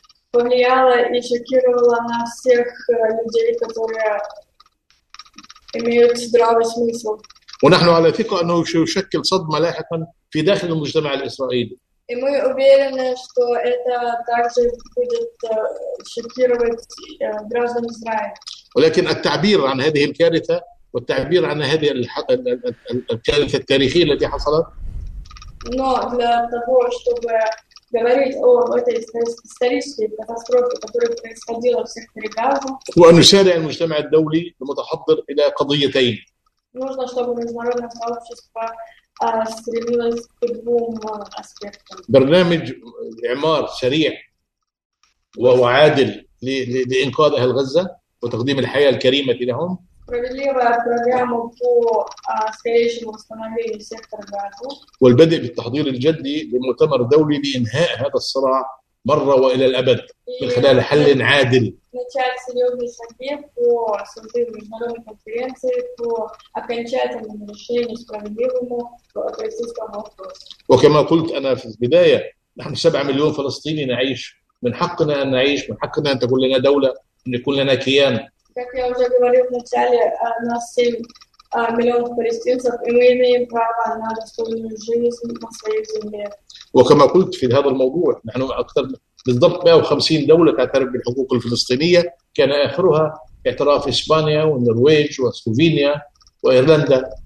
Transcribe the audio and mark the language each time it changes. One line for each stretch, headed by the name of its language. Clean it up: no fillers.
Russian: Повлияло и шокировало на всех людей, которые имеют здравый смысл.
Arabic: ونحن على ثقة أنه سيشكل صدمة لاحقا في داخل المجتمع الإسرائيلي.
Russian: И мы уверены, что это также будет шокировать граждан Израиля.
Arabic: ولكن التعبير عن هذه الكارثة والتعبير عن هذه الكارثة التاريخية التي حصلت.
Russian: Но для того, чтобы говорить о этой исторической катастрофе, которая происходила в секторе Газа.
Arabic: ونشارع المجتمع الدولي المتحضر إلى قضيتين.
Russian: Нужно, чтобы международное сообщество стремилось к двум аспектам.
Arabic: برنامج إعمار سريع وهو عادل لإنقاذ أهل غزة وتقديم الحياة الكريمة لهم.
Russian: Справедливая программа по скорейшему восстановлению сектора Газа.
Arabic: والبدء بالتحضير الجدي لمؤتمر دولي لإنهاء هذا الصراع مرة وإلى الأبد من خلال حل عادل.
Russian: Начать серьезные шаги по созданию международной конференции по окончательному решению справедливому палестинскому вопросу.
Arabic: وكما قلت أنا في البداية نحن 7 مليون فلسطيني نعيش من حقنا أن نعيش من حقنا أن تكون لنا دولة أن يكون لنا كيان.
Russian: Как я уже говорил в начале, нас 7 миллионов палестинцев, и мы имеем право на достойную жизнь на своей земле.
Arabic: وكما قلت في هذا الموضوع نحن أكثر بالضبط 150 دولة تعترف بالحقوق الفلسطينية كان آخرها اعتراف إسبانيا والنرويج وسلوفينيا وإيرلندا.